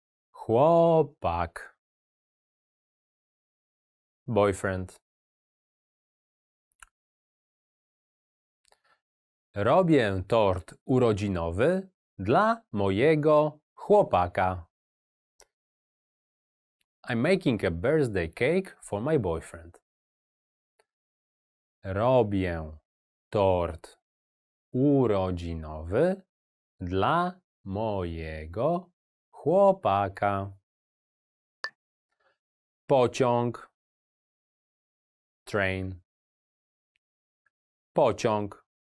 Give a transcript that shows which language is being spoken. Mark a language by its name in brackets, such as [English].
[Polish] Chłopak. [English] boyfriend. [Polish] Robię tort urodzinowy dla mojego chłopaka. [English] I'm making a birthday cake for my boyfriend. [Polish] Robię tort urodzinowy dla mojego chłopaka. Pociąg. [English] Train. [Polish] Pociąg.